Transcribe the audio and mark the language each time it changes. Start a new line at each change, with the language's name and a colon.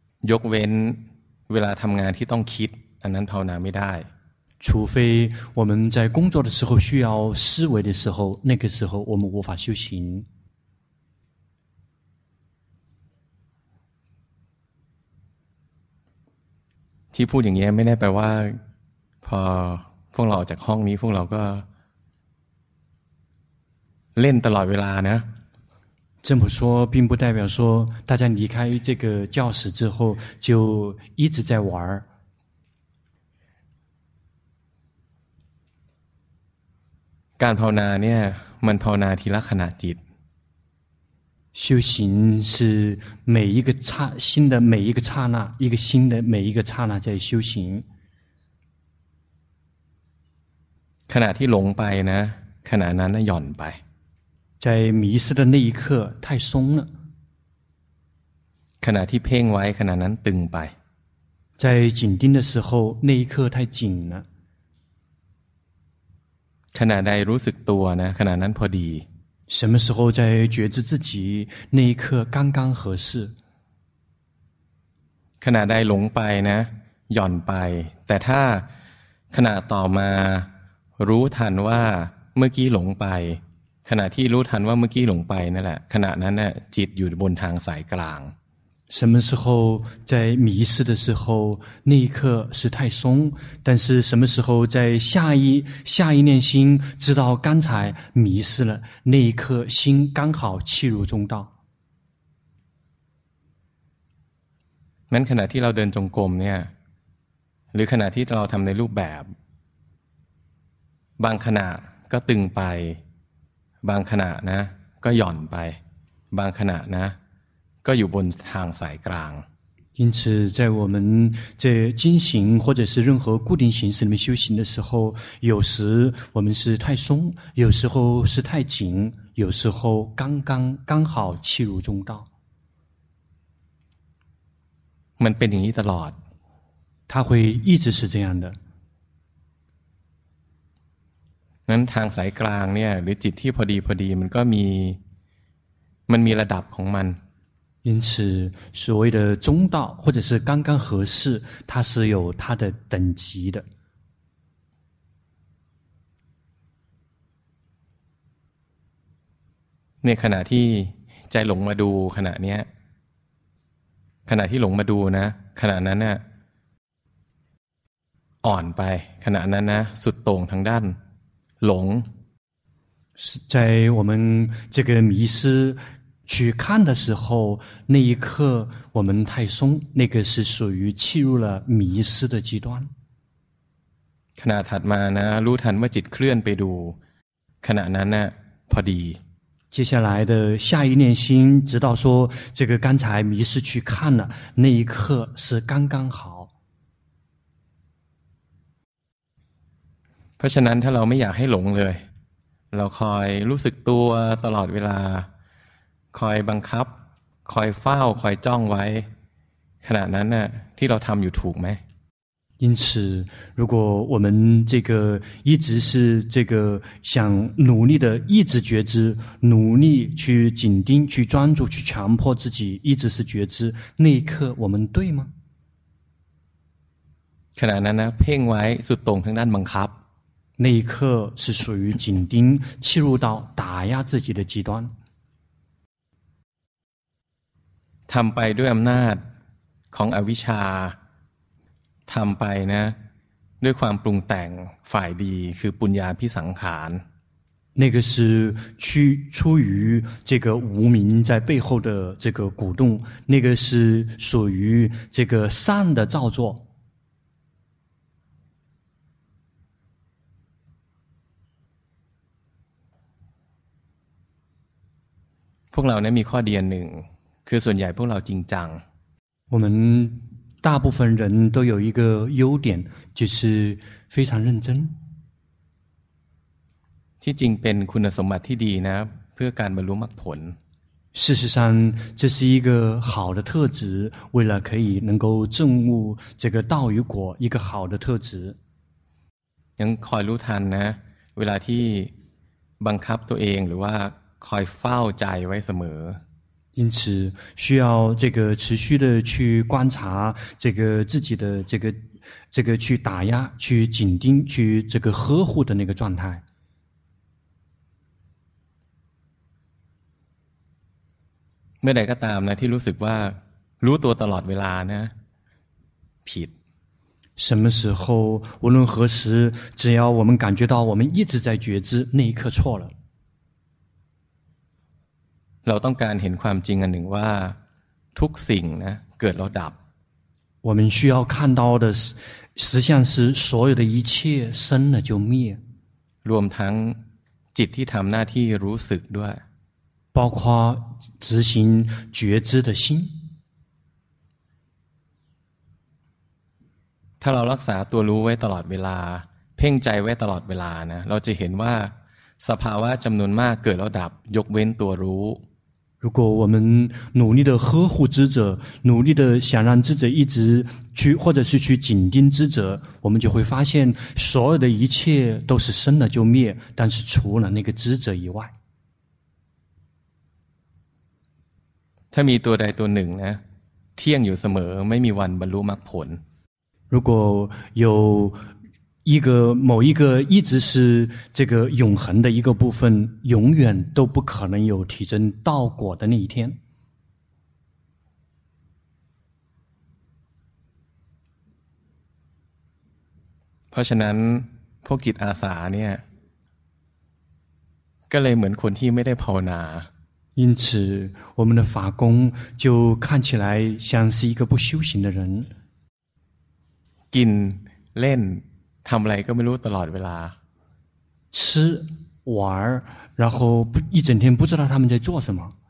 Thai: ยกเว้นเวลาทำงานที่ต้องคิดอันนั้นภาวนาไม่ได้
Chinese: 除非我们在工作的时候需要思维的时候那个时候我们无法修行
Thai: ที่พูดอย่างนี้ไม่ได้แปลว่าพอพวกเราจากห้องนี้พวกเราก็เล่นตลอดเวลานะ
Chinese: 这么说并不代表说大家离开这个教室之后就一直在玩儿
Thai: การภาวนาเนี่ยมันภาวนาทีละขณะจิต
Chinese: 修行是每一个刹心的每一个刹那，一个心的每一个刹那在修行。
Thai: ขณะที่หลงไปนะขณะนั้นหย่อนไป
Chinese: 在迷失的那一刻太松了。
Thai: ขณะที่เพ่งไว้ขณะนั้นตึงไป
Chinese: 在紧盯的时候那一刻太紧了。
Thai: ขณะใดรู้สึกตัวนะขณะนั้นพอดี
Chinese: 什么时候在觉知自己那一刻刚刚合适
Thai: ขณะใดหลงไปนะหย่อนไปแต่ถ้าขณะต่อมารู้ทันว่าเมื่อกี้หลงไปขณะที่รู้ทันว่าเมื่อกี้หลงไปนั่นแหละขณะนั้นน่ะจิตอยู่บนทางสายกลาง
Chinese: 什么时候在迷失的时候那一刻是太松但是什么时候在下一念心知道刚才迷失了那一刻心刚好契入中道
Thai: นั้นขณะที่เราเดินจงกรมเนี่ยหรือขณะที่เราทำในรูปแบบบางขณะก็ตึงไปบางขณะนะก็หย่อนไปบางขณะนะก็อยู่บนทางสายกลาง
Chinese: 因此在我们这精行或者是任何固定形式里面修行的时候有时我们是太松有时候是太紧有时候刚刚刚好契入中道
Thai: มันเป็นอย่างนี้ตลอด
Chinese: 它会一直是这样的
Thai: นั้นทางสายกลางเนี่ยหรือจิตที่พอดีมันมีระดับของมัน
Chinese: 因此所谓的中道或者是刚刚合适它是有它的等级的
Thai: ในขณะที่ใจหลงมาดูขณะนี้ขณะที่หลงมาดูนะขณะนั้นน่ะอ่อนไปขณะนั้นนะสุดโต่งทางด้านหลง
Chinese: 在我们这个迷失去看的时候那一刻我们太松那个是属于契入了迷失的极端
Thai: ขณะถัดมานะรู้ทันว่าจิตเคลื่อนไปดูขณะนั้นนะพอดี
Chinese: 接下来的下一念心直到说这个刚才迷失去看了那一刻是刚刚好
Thai: เพราะฉะนั้นถ้าเราไม่อยากให้หลงเลยเราคอยรู้สึกตัวตลอดเวลาคอยบังคับคอยเฝ้าคอยจ้องไว้ขณะนั้นน่ะที่เราทำอยู่ถูกไหม
Chinese: 因此如果我们这个一直是这个想努力的一直觉知努力去紧盯去专注去强迫自己一直是觉知那一刻我们对吗
Thai: ขณะนั้นนะเพ่งไว้สุดตรงทางด้านบังคับ
Chinese: 那一刻是属于紧盯契入到打压自己的极端
Thai: ทำไปด้วยอำนาจของอวิชชาทำไปนะด้วยความปรุงแต่งฝ่ายดีคือปุญญาภิสังขาร
Chinese: 那个是出于这个无明在背后的这个鼓动，那个是属于这个善的造作。
Thai: พวกเราเนี่ยมีข้อเดียนหนึ่งคือส่วนใหญ่พวกเราจริงจัง
Chinese: 我们大部分人都有一个优点，就是非常认真。
Thai: ที่จริงเป็นคุณสมบัติที่ดีนะเพื่อการบรรลุมรรคผล
Chinese: 事实上这是一个好的特质，为了可以能够证悟这个道与果，一个好的特质。
Thai: ยังคอยรู้ทันนะเวลาที่บังคับตัวเองหรือว่าคอยเฝ้าใจไว้เสมอ
Chinese: 因此需要这个持续的去观察这个自己的这个去打压去紧盯去这个呵护的那个状态
Thai: เมื่อใดก็ตามนะที่รู้สึกว่ารู้ตัวตลอดเวลานะผิด
Chinese: 什么时候无论何时只要我们感觉到我们一直在觉知那一刻错了
Thai: เราต้องการเห็นความจริงอันหนึ่งว่าทุกสิ่งนะเกิดแล้วดับ
Chinese: 我们需要看到的实相是所有的一切生了就灭
Thai: รวมทั้งจิตที่ทำหน้าที่รู้สึกด้วย
Chinese: 包括执行觉知的心
Thai: ถ้าเรารักษาตัวรู้ไว้ตลอดเวลาเพ่งใจไว้ตลอดเวลานะเราจะเห็นว่าสภาวะจำนวนมากเกิดแล้วดับยกเว้นตัวรู้
Chinese: 如果我们努力的呵护知者努力的想让知者一直去或者是去紧盯知者我们就会发现所有的一切都是生了就灭但是除了那个知者以外
Thai: ถ้ามีตัวใดตัวหนึ่งนะเที่ยงอยู่เสมอไม่มีวันบรรลุมรรคผล
Chinese: 如果有一个某一个一直是这个永恒的一个部分，永远都不可能有体证道果的那一天。
Thai: เพราะฉะนั้นพวกจิตอาสาเนี่ยก็เลยเหมือนคนที่ไม่ได้ภาวนา
Chinese: 因此我们的法工就看起来像是一个不修行的人。
Thai: กินเล่นทำอะไรก็ไม่รู้ตลอดเวลา
Chinese: 吃玩然后一整天不知道他们在做什么